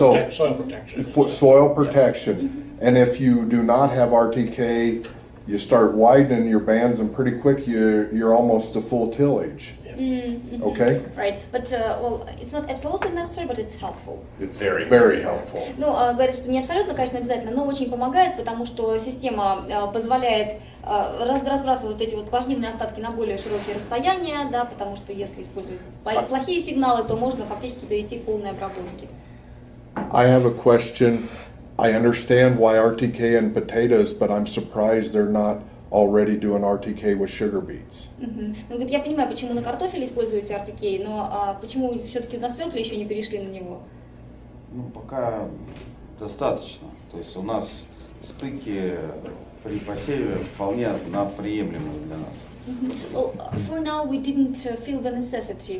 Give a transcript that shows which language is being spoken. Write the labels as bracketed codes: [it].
[en] soil protection. Yeah. And if you do not have RTK, you start widening your bands, and pretty quick you're almost to full tillage. Yeah. Mm-hmm. Okay? Right. But, it's not absolutely necessary, but it's helpful. It's very, very helpful. [ru] Ну, говорят, что не абсолютно, конечно, обязательно, но очень помогает, потому что система позволяет разбрасывать вот эти вот пожнивные остатки на более широкие расстояния, да, потому что если использовать плохие сигналы, то можно фактически перейти к полной обработке. [en] I have a question. I understand why RTK and potatoes, but I'm surprised they're not already doing RTK with sugar beets. [ru] Ну, говорит, я понимаю, почему на картофеле используется RTK, но почему все-таки на свекле еще не перешли на него? Ну, пока достаточно. То есть у нас стыки при посеве вполне приемлемы для нас. Mm-hmm. [en] Well, for now we didn't feel the necessity.